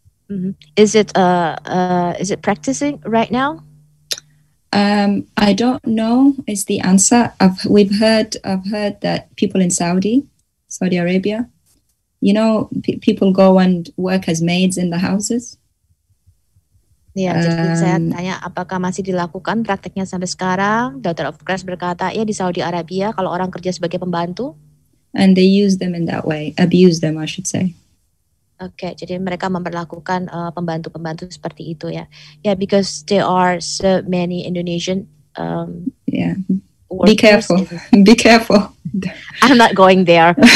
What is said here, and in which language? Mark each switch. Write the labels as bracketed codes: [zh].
[en] Mm-hmm. Is it practicing right now? I don't know is the answer. I've heard that people in Saudi Arabia, you know, people go and work as maids in the houses. [id] Ya, jadi saya tanya apakah masih dilakukan prakteknya sampai sekarang? Daughter of Christ berkata, ya di Saudi Arabia kalau orang kerja sebagai pembantu. [en] And they use them in that way, abuse them, I should say. [id] Okay, jadi mereka memperlakukan pembantu-pembantu seperti itu ya. [en] Yeah, because there are so many Indonesian. Yeah. Be careful. I'm not going there.